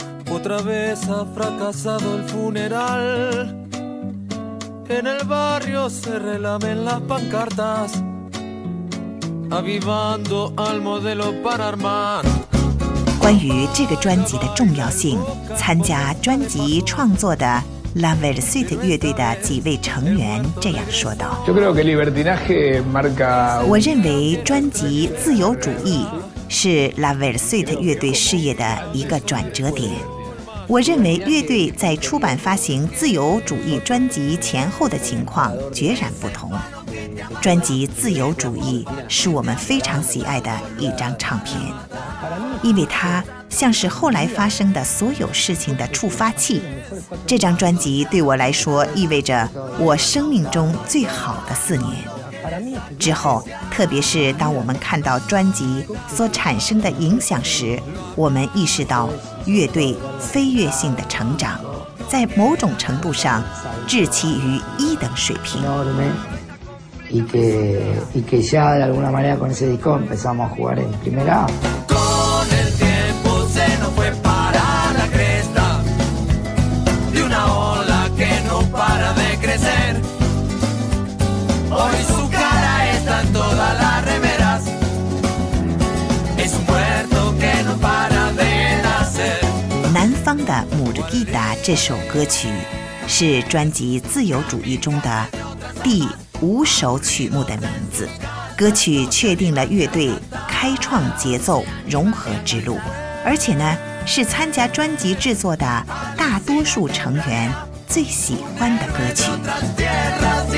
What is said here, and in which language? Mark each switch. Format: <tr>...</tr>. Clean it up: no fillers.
<es>Otra vez ha fracasado el funeral. En el barrio se relamen las pancartas, avivando al modelo para armar.</es> <zh>关于这个专辑的重要性，参加专辑创作的 La Versuit 乐队的几位成员这样说道：我认为专辑自由主义是 La Versuit 乐队事业的一个转折点。我认为乐队在出版发行自由主义专辑前后的情况决然不同。专辑自由主义是我们非常喜爱的一张唱片，因为它像是后来发生的所有事情的触发器。这张专辑对我来说意味着我生命中最好的四年。之后，特别是当我们看到专辑所产生的影响时，我们意识到乐队飞跃性的成长，在某种程度上置其于一等水平。</zh> <es>Y que ya de alguna manera con ese disco empezamos a jugar en primera. Con el tiempo se nos fue para la cresta de una ola que no para de crecer. Hoy su cara está en todas las remeras. Es un puerto que no para de nacer.</es> <zh>南方的母日吉达这首歌曲是专辑《自由主义》中的第五首曲目的名字，歌曲确定了乐队开创节奏融合之路，而且呢，是参加专辑制作的大多数成员最喜欢的歌曲。</zh>